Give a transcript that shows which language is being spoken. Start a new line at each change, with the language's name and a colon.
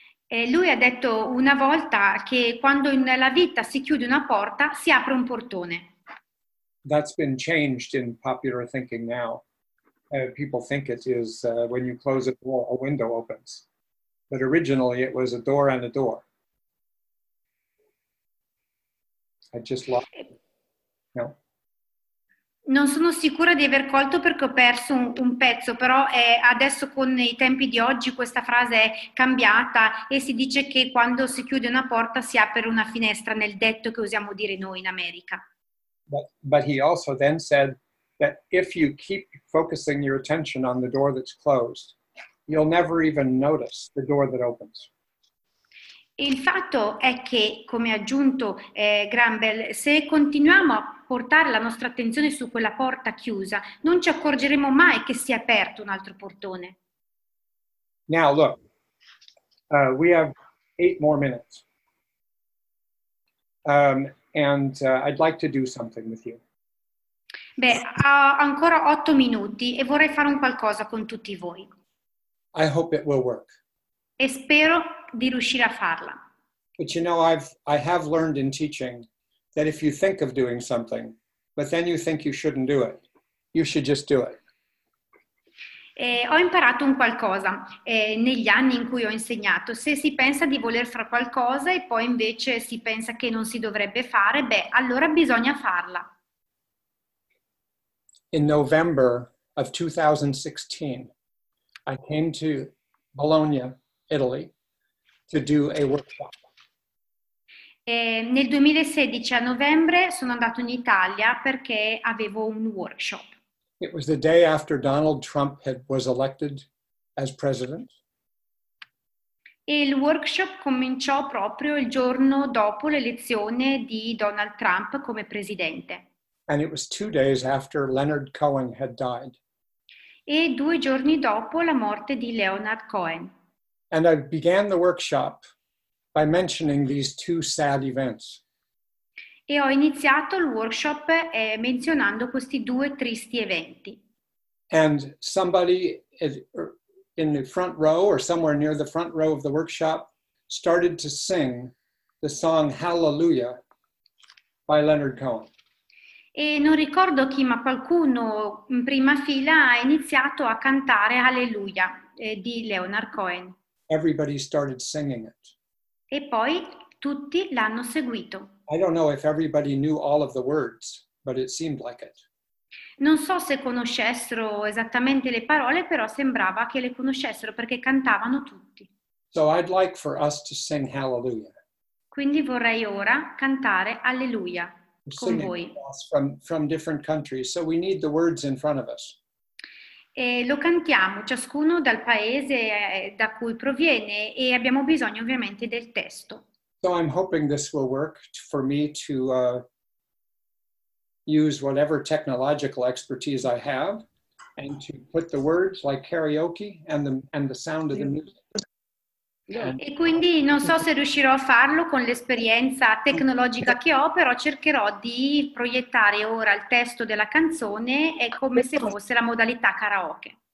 Italian: E lui ha detto una volta che quando nella vita si chiude una porta, si apre un portone.
English: That's been changed in popular thinking now. People think it is when you close a door, a window opens. But originally it was a door and a door. I just lost. No.
Italian: Non sono sicura di aver colto perché ho perso un pezzo, però adesso con i tempi di oggi questa frase è cambiata e si dice che quando si chiude una porta si apre una finestra, nel detto che usiamo dire noi in America.
English: But he also then said that if you keep focusing your attention on the door that's closed, you'll never even notice the door that opens.
Italian: Il fatto è che, come ha aggiunto Graham Bell, se continuiamo a portare la nostra attenzione su quella porta chiusa, non ci accorgeremo mai che si è aperto un altro portone.
English: Now look, we have 8 more minutes. I'd like to do something with you.
Italian: Beh, ho ancora 8 minuti e vorrei fare un qualcosa con tutti voi.
English: I hope it will work.
Italian: E spero di riuscire a farla.
English: But you know, I have learned in teaching that if you think of doing something, but then you think you shouldn't do it, you should just do it.
Italian: Ho imparato un qualcosa negli anni in cui ho insegnato. Se si pensa di voler fare qualcosa e poi invece si pensa che non si dovrebbe fare, beh, allora bisogna farla.
English: In November of 2016, I came to Bologna, Italy, to do a workshop.
Italian: Nel 2016 a novembre sono andato in Italia perché avevo un workshop.
English: It was the day after Donald Trump was elected as president.
Italian: E il workshop cominciò proprio il giorno dopo l'elezione di Donald Trump come presidente.
English: And it was 2 days after Leonard Cohen had died.
Italian: E 2 giorni dopo la morte di Leonard Cohen.
English: And I began the workshop by mentioning these 2 sad events.
Italian: E ho iniziato il workshop menzionando questi 2 tristi eventi.
English: And somebody in the front row or somewhere near the front row of the workshop started to sing the song Hallelujah by Leonard Cohen.
Italian: E non ricordo chi, ma qualcuno in prima fila ha iniziato a cantare Alleluia di Leonard Cohen.
English: Everybody started singing it.
Italian: E poi tutti l'hanno seguito.
English: I don't know if everybody knew all of the words, but it seemed like it.
Italian: Non so se conoscessero esattamente le parole, però sembrava che le conoscessero perché cantavano tutti.
English: So I'd like for us to sing Hallelujah.
Italian: Quindi vorrei ora cantare Alleluia.
English: From different countries, so we need the words in front of us.
Italian: E lo cantiamo ciascuno dal paese da cui proviene e abbiamo bisogno ovviamente del testo.
English: So I'm hoping this will work for me to use whatever technological expertise I have and to put the words like karaoke and the sound of the music.
Italian: E quindi non so se riuscirò a farlo con l'esperienza tecnologica che ho, però cercherò di proiettare ora il testo della canzone e come se fosse la modalità karaoke.